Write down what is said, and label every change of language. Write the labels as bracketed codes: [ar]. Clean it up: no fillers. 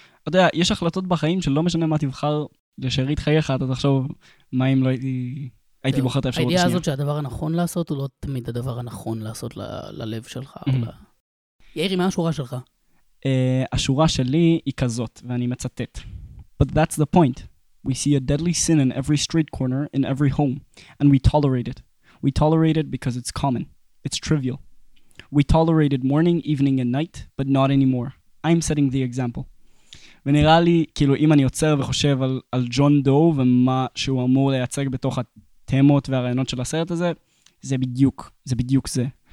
[he] אתה יודע, יש החלטות בחיים שלא משנה מה תבחר לשארית חייך, אתה תחשוב מה אם לא הייתי בוחר את האפשרות השנייה. הידיעה הזאת שהדבר הנכון לעשות הוא לא תמיד הדבר הנכון לעשות ללב שלך. יאירי, מה השורה שלך? השורה שלי היא כזאת, ואני מצטט. [en] But that's the point. We see a deadly sin in every street corner, in every home, and we tolerate it. We tolerate it because it's common. It's trivial. We tolerated morning, evening, and night, but not anymore. I'm setting the example. [he] ונראה לי, כאילו, אם אני עוצר וחושב על ג'ון דו, ומה שהוא אמור לייצג בתוך התמות והרעיונות של הסרט הזה, זה בדיוק, זה בדיוק זה.